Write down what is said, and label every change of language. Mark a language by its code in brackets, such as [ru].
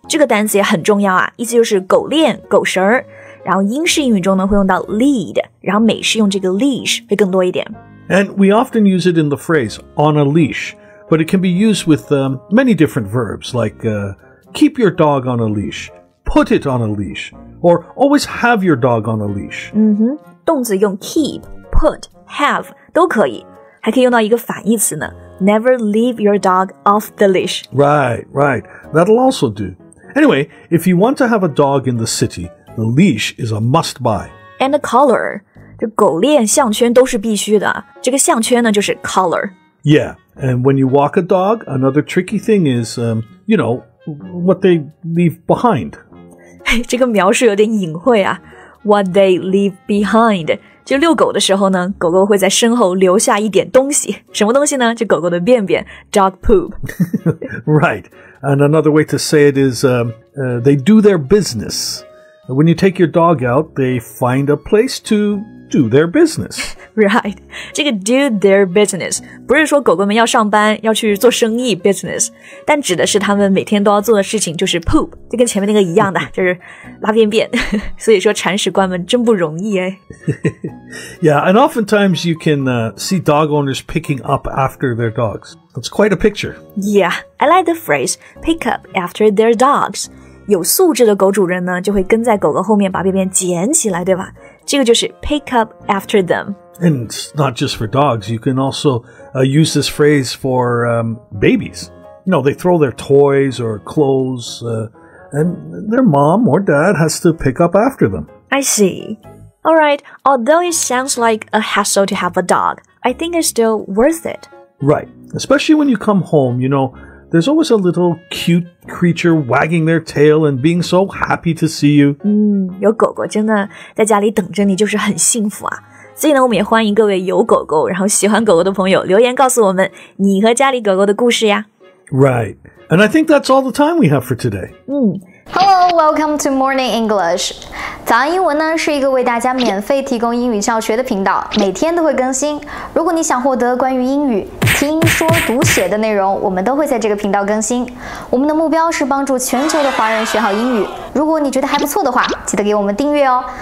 [zh] 这个单词也很重要啊，意思就是狗链、狗绳。然后英式英语中呢会用到 lead， 然后美式用这个 leash 会更多一点。 [en] And we often use it in the phrase on a leash. But it can be used with many different verbs, like keep your dog on a leash, put it on a leash, or always have your dog on a leash. [zh] 嗯哼，动词用 keep, put, have 都可以，还可以用到一个反义词呢 ， [en] never leave your dog off the leash. Right, right. That'll also do. Anyway, if you want to have a dog in the city, the leash is a must buy. And the collar, [zh] 这狗链项圈都是必须的。这个项圈呢，就是 collar. [en] Yeah. And when you walk a dog, another tricky thing is, you know, what they leave behind. [zh] 这个描述有点隐晦啊。 [en] What they leave behind. [zh] 就遛狗的时候呢，狗狗会在身后留下一点东西，什么东西呢？就狗狗的便便 ，dog poop. [en] Right, and another way to say it is, they do their business. When you take your dog out, they find a place to do their business. [zh] Right, 这个 [en] do their business [zh] 不是说狗狗们要上班，要去做生意 business， 但指的是他们每天都要做的事情就是 poop， 就跟前面那个一样的，就是拉便便。所以说铲屎官们真不容易哎。 [en] Yeah, and oftentimes you can see dog owners picking up after their dogs. That's quite a picture. Yeah, I like the phrase pick up after their dogs. [zh] 有素质的狗主人呢，就会跟在狗狗后面把便便捡起来，对吧？这个就是 [en] pick up after them. And it's not just for dogs. You can also use this phrase for babies. You know, they throw their toys or clothes, and their mom or dad has to pick up after them. I see. All right. Although it sounds like a hassle to have a dog, I think it's still worth it. Right. Especially when you come home, you know,There's always a little cute creature wagging their tail and being so happy to see you. [zh] 有狗狗真的在家里等着你就是很幸福啊。所以呢，我们也欢迎各位有狗狗，然后喜欢狗狗的朋友留言告诉我们你和家里狗狗的故事呀。 [en] Right. And I think that's all the time we have for today. Hello, welcome to Morning English. [zh] 早安英文呢是一个为大家免费提供英语教学的频道，每天都会更新。如果你想获得关于英语听说读写的内容，我们都会在这个频道更新。我们的目标是帮助全球的华人学好英语。如果你觉得还不错的话，记得给我们订阅哦。